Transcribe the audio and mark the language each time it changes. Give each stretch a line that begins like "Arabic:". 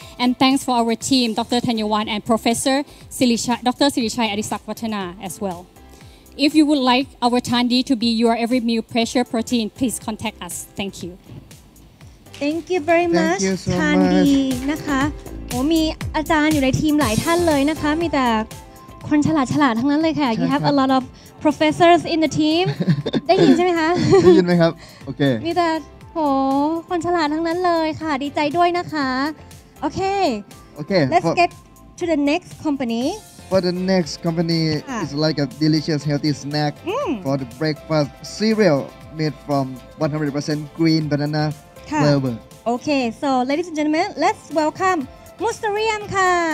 English: And thanks for our team, Dr. Tanyawan and Professor Dr. Silichai Adisak Watana as well. If you would like our Tandy to be your every meal pressure protein, please contact us. Thank you. Thank you very much, Tandy. Thank you so much. Tandy, right? Oh, there are many people in the team, right?
Thai: คนฉลาดฉลาดทั้งนั้นเลยค่ะ
English: You have a lot of professors in the team
Thai: ได้ยินใช่ไหมคะ ได้ยินไหมครับโอเค มีแต่โหคนฉลาดทั้งนั้นเลยค่ะดีใจด้วยนะคะโอเค โอเค
English: Let's get to the next company For the next company is like a delicious healthy snack for the breakfast cereal made from 100% green banana flavor โอเค so ladies and gentlemen let's welcome Mustariam ค่ะ